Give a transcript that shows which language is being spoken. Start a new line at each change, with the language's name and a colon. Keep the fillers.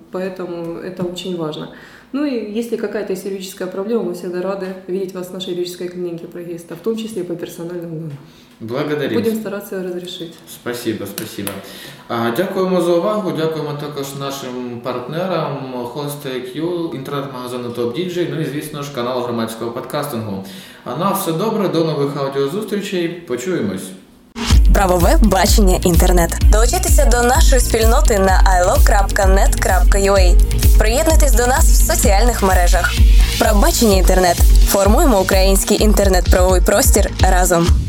Russian: Поэтому это очень важно. Ну и если какая-то юридическая проблема, мы всегда рады видеть вас в нашей юридической клинике прогеста, в том числе и по персональному номеру. Благодарю. Будем стараться разрешить. Спасибо, спасибо.
Ukrainian: А, дякуємо за увагу, дякуємо також нашим партнерам HostIQ, інтернет-магазину Top DJ, ну и, звісно ж, канал громадського подкастингу. А на все добре, до нових аудіозустрічей, почуємось. правове бачення інтернет долучитися до нашої спільноти на ilo.net.ua. Приєднуйтесь до нас в соціальних мережах. Правобачення інтернет формуємо український інтернет-правовий простір разом.